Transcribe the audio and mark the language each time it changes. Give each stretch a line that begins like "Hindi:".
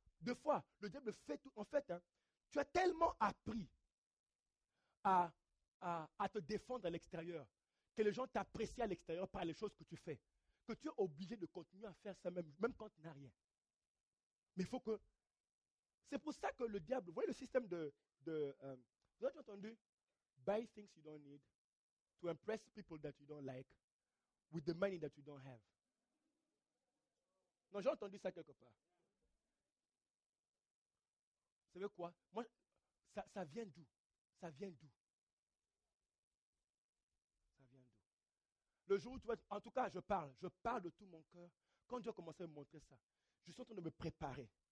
French: Des fois, le diable fait tout. En fait, hein, tu as tellement appris à te défendre à l'extérieur que les gens t'apprécient à l'extérieur par les choses que tu fais, que tu es obligé de continuer à faire ça même quand tu n'as rien. Mais il faut que... C'est pour ça que le diable... Vous voyez le système vous avez entendu?
English: Buy things you don't need to impress people that you don't like with the money that you don't have.
French: Non, j'ai entendu ça quelque part. Vous savez quoi? Moi, ça vient d'où? Ça vient d'où? Le jour où tu vas... En tout cas, je parle de tout mon cœur. Quand Dieu a commencé à me montrer ça, je suis en train de me préparer.